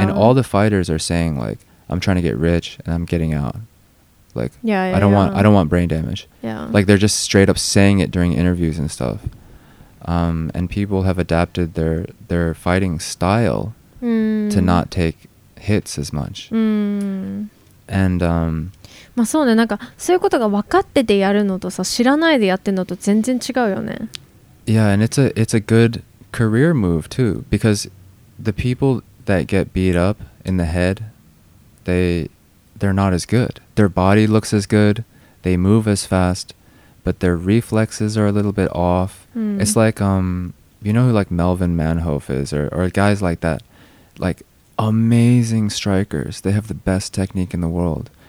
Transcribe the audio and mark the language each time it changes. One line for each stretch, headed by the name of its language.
English: And all the fighters are saying like, I'm trying to get rich and I'm getting out. Like, I don't want brain damage. Yeah. Like they're just straight up saying it during interviews and stuff. And people have adapted their fighting style to not take hits as much. And
Japanese: まあそうね、なんかそういうことが分かっててやるのとさ、知らないでやってんのと全然違うよね。
English: Yeah, and it's a good career move too, because the people that get beat up in the head, they're not as good. Their body looks as good, they move as fast, but their reflexes are a little bit off. It's like, you know who like Melvin Manhoef is, or guys like that, like amazing strikers, they have the best technique in the world.